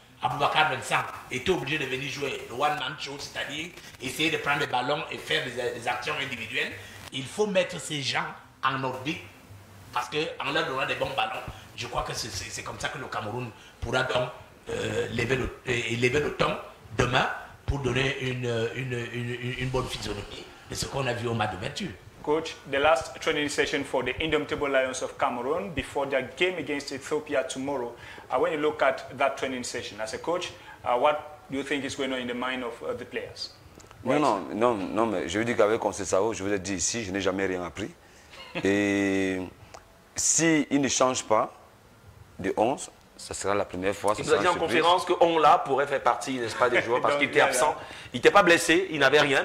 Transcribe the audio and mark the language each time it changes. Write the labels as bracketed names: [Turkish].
[French] Aboubakar Bensah était obligé de venir jouer le one-man show, c'est-à-dire essayer de prendre les ballons et faire des actions individuelles. Il faut mettre ces gens en orbite parce qu'en leur donnant des bons ballons, je crois que c'est comme ça que le Cameroun pourra donc élever le ton demain pour donner une bonne physionomie de ce qu'on a vu au match d'ouverture. [English] Coach, the last training session for the Indomitable Lions of Cameroon before their game against Ethiopia tomorrow. When you look at that training session as a coach, what do you think is going on in the mind of the players? [French] Non, mais je veux dire qu'avec Concecao, je vous ai dit ici, je n'ai jamais rien appris. Et s'il ne change pas de 11, ça sera la première fois. Il nous a dit en conférence qu'on là pourrait faire partie, n'est-ce pas, des joueurs parce qu'il était absent. Là. Il n'était pas blessé, il n'avait rien.